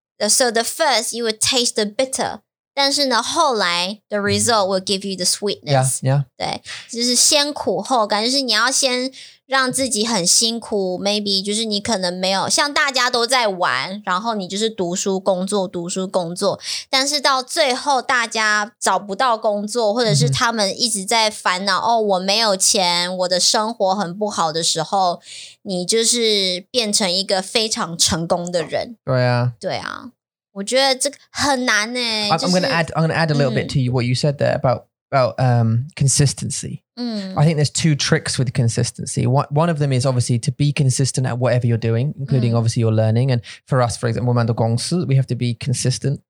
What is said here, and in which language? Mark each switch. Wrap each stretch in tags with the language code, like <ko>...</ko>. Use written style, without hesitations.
<en>So the first you would taste the bitter.</en> <zh>但是呢，后来</zh> <en>the result will give you the sweetness. Yeah, yeah.</en> <zh>对，就是先苦后甘，就是你要先让自己很辛苦 ，maybe 就是你可能没有像大家都在玩，然后你就是读书工作，读书工作。但是到最后，大家找不到工作，或者是他们一直在烦恼、mm-hmm. 哦，我没有钱，我的生活很不好的时候，你就是变成一个非常成功的人。对啊，对啊。我觉得这很难耶、欸、</zh> <en>I'm going to add a little bit to you what you said there about consistency. I think there's two tricks with consistency. One of them is obviously to be consistent at whatever you're doing, including obviously your learning. And for us, for example,</en> <zh>我们的公司,</zh> <en>we have to be consistent.</en>